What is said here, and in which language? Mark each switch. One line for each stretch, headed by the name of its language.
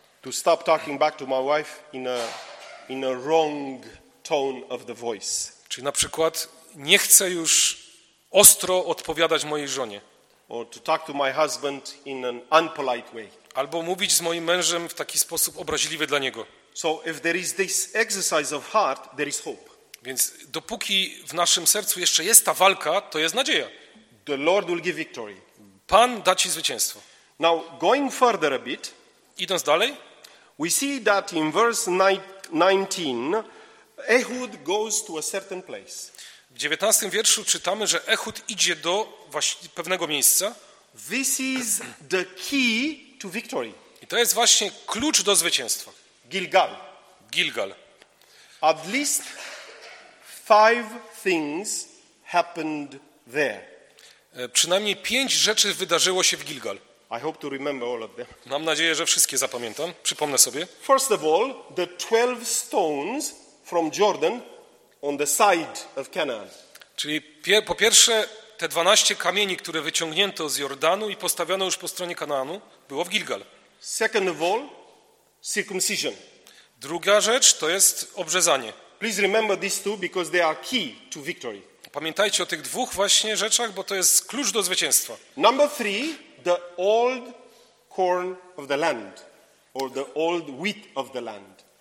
English: To stop talking back to my wife in a wrong tone of the voice.
Polish: Czy na przykład nie chcę już ostro odpowiadać mojej żonie.
English: Or to talk to my husband in an unpolite way.
Polish: Albo mówić z moim mężem w taki sposób obraźliwy dla niego.
English: So if there is this exercise of heart, there is hope.
Polish: Więc dopóki w naszym sercu jeszcze jest ta walka, to jest nadzieja.
English: The Lord will give victory.
Polish: Pan da ci zwycięstwo.
English: Now going further a bit.
Polish: Idąc dalej,
English: we see that in verse 19 Ehud goes to a certain place.
Polish: W 19 wierszu czytamy, że Ehud idzie do pewnego miejsca.
English: This is the key to victory.
Polish: I to jest właśnie klucz do zwycięstwa.
English: Gilgal.
Polish: Gilgal.
English: At least five things happened there.
Polish: Przynajmniej pięć rzeczy wydarzyło się w Gilgal.
English: I hope to remember all of them.
Polish: Mam nadzieję, że wszystkie zapamiętam. Przypomnę sobie.
English: First of all, the 12 stones from Jordan on the side of Canaan.
Polish: Czyli po pierwsze te 12 kamieni, które wyciągnięto z Jordanu i postawiono już po stronie Kanaanu, było w Gilgal.
English: Second of all, circumcision.
Polish: Druga rzecz to jest obrzezanie.
English: Please remember these two because they are key to victory.
Polish: Pamiętajcie o tych dwóch właśnie rzeczach, bo to jest klucz do zwycięstwa.
English: Number three. The old corn of the land, or the old wheat of the land.